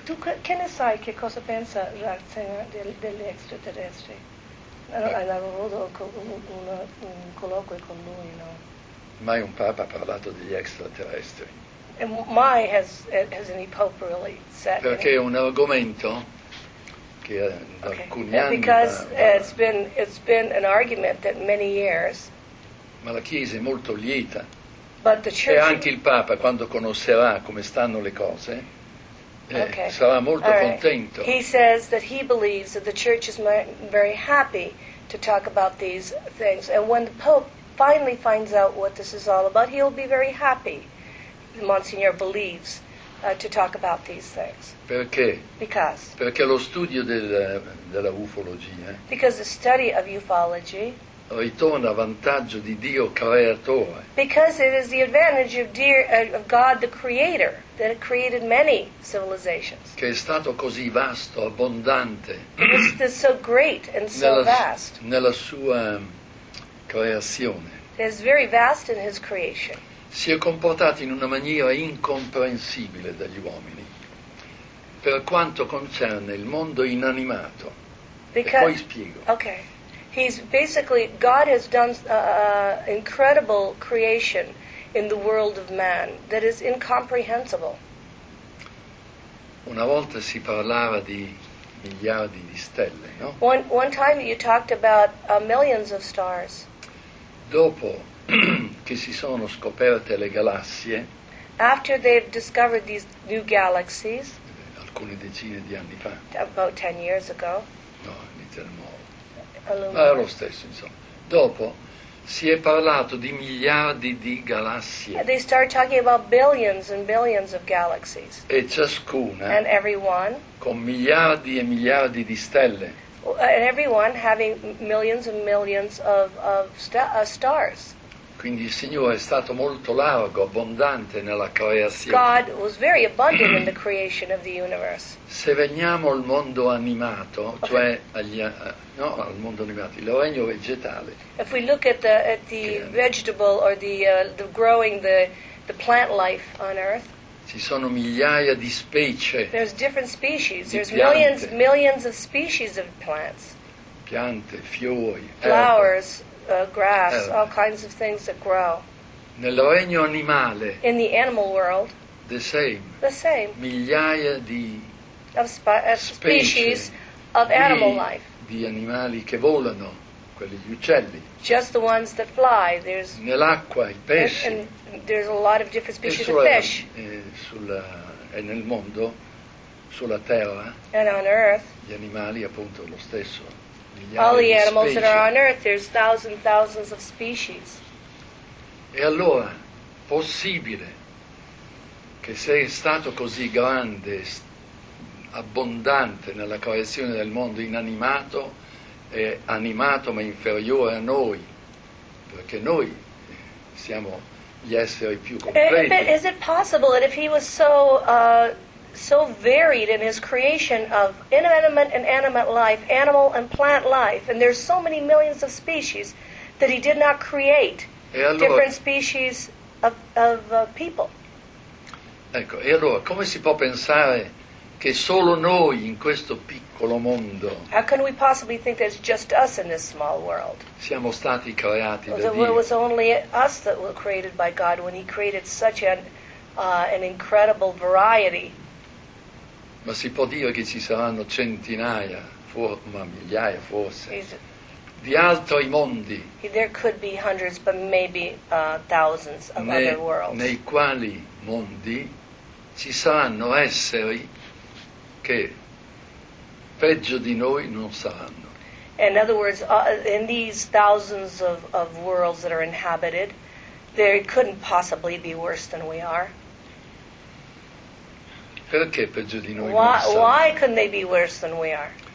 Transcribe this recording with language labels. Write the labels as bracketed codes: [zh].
[it] tu che ne sai che cosa pensa Ratzinger degli extraterrestri? Avevo avuto un colloquio con lui, no? Mai un Papa ha parlato degli extraterrestri. [en] And why has any Pope really said? [it] Perché è un argomento che da alcuni anni. [en] Because it's been an argument that many years. [it] Ma la Chiesa è molto lieta. [en] But the Church. [it] E anche il Papa, quando conoscerà come stanno le cose, [en] okay. [it] Sarà molto [en] All [it] contento. [en] Right. He says that he believes that the Church is very happy to talk about these things, and when the Pope finally finds out what this is all about, he'll be very happy. Monsignor believes To talk about these things. [it] Perché? [en] Because. [it] Perché lo studio della ufologia. [en] Because the study of ufology. [it] Ritorna a vantaggio di Dio creatore. [en] Because it is the advantage of God the Creator that created many civilizations. [it] Che è stato così vasto, abbondante. [en] It is so great and so vast. [it] Nella sua creazione. [en] It is very vast in His creation. [it] Si è comportato in una maniera incomprensibile dagli uomini per quanto concerne il mondo inanimato. [en] Because, [it] e poi spiego. [en] Okay. He's basically, God has done incredible creation in the world of man that is incomprehensible. [it] Una volta si parlava di miliardi di stelle, no? [en] One time you talked about millions of stars. [it] Dopo che si sono scoperte le galassie, [en] after they've discovered these new galaxies, [it] alcune decine di anni fa, about 10 years ago, no, ma è lo stesso, insomma. Dopo si è parlato di miliardi di galassie. [en] Yeah, they start talking about billions and billions of galaxies. [it] E ciascuna, [en] and everyone, [it] con miliardi e miliardi di stelle, [en] and everyone having millions and millions of stars. [it] Quindi il Signore è stato molto largo, abbondante nella creazione. [en] God was very abundant in the creation of the universe. [it] Se veniamo al mondo animato, okay, cioè al mondo animato, il regno vegetale. [en] If we look at the vegetable or the growing the plant life on earth. [it] Ci sono migliaia di specie. [en] There's different species. There's millions of species of plants. [it] Piante, fiori, [en] flowers. Grass, all kinds of things that grow. [it] Nel regno animale. [en] In the animal world. The same. [it] Migliaia di [en] species of animal life. [it] Di animali che volano, quelli gli uccelli. [en] Just the ones that fly. There's [it] nell'acqua I pesci. [en] And there's a lot of different species of fish. [it] E nel mondo, sulla terra. [en] And on earth. [it] Gli animali, appunto, lo stesso. [en] All the animals that are on earth, there's thousands and thousands of species. [it] E allora, possibile che se è stato così grande, abbondante nella creazione del mondo inanimato, è animato ma inferiore a noi, perché noi siamo gli esseri più completi. [en] Is it possible that if he was so so varied in his creation of inanimate and animate life, animal and plant life, and there's so many millions of species that he did not create different species of people. [it] Ecco, e allora come si può pensare che solo noi in questo piccolo mondo? [en] How can we possibly think that it's just us in this small world? [it] Siamo stati creati da [en] Dio. It was only us that were created by God when He created such an incredible variety. [it] Ma si può dire che ci saranno centinaia, ma migliaia forse, di altri mondi. [en] There could be hundreds, but maybe thousands of other worlds. [it] Nei quali mondi ci saranno esseri che peggio di noi non saranno. [en] In other words, in these thousands of worlds that are inhabited, there couldn't possibly be worse than we are. [it] Perché peggio di noi? [en] Why can they be worse than we are?